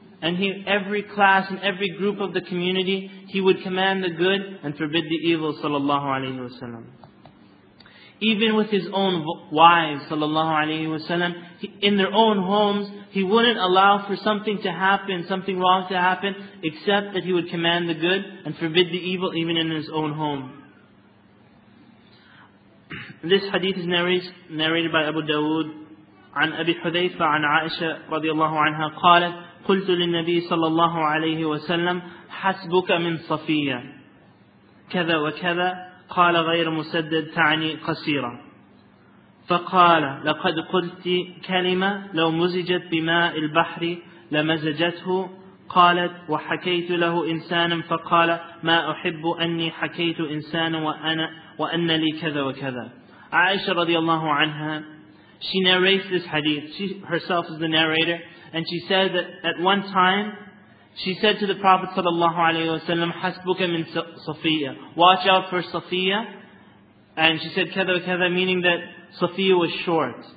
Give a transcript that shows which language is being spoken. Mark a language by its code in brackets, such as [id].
[en] And he, every class and every group of the community, he would command the good and forbid the evil, sallallahu alayhi wa sallam. Even with his own wives, sallallahu alayhi wa sallam, in their own homes, he wouldn't allow for something to happen, something wrong to happen, except that he would command the good and forbid the evil even in his own home. This hadith is narrated by Abu Dawood, [ar] عن أبي حذيفة عن عائشة رضي الله عنها قالت قلت للنبي صلى الله عليه وسلم حسبك من صفية كذا وكذا قال غير مسدد تعني قصيرة فقال لقد قلت كلمة لو مزجت بماء البحر لمزجته قالت وحكيت له إنسانا فقال ما أحب أني حكيت إنسانا وأن لي كذا وكذا. [en] عائشة رضي الله عنها, she narrates this hadith. She herself is the narrator. And she said that at one time, she said to the Prophet ﷺ, [ar] حَسْبُكَ مِنْ صَفِيَّةَ, [en] watch out for Safiya. And she said, [ar] كَذَا كَذَا, [en] meaning that Safiya was short.